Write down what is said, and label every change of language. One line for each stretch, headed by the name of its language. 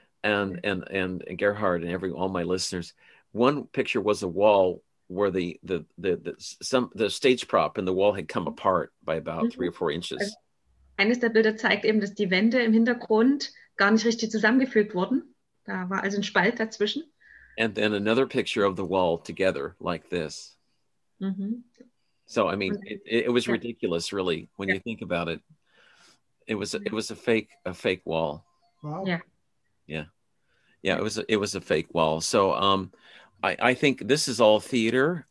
English: And Gerhard and all my listeners. One picture was a wall where the stage prop in the wall had come apart by about 3 or 4 inches.
German: Eines der Bilder zeigt eben, dass die Wände im Hintergrund gar nicht richtig zusammengefügt wurden. Da war also ein Spalt dazwischen.
English: And then another picture of the wall together like this. So I mean, it was ridiculous, really, when you think about it. It was a fake wall. Wow. Yeah. It was a fake wall. So I think this is all theater.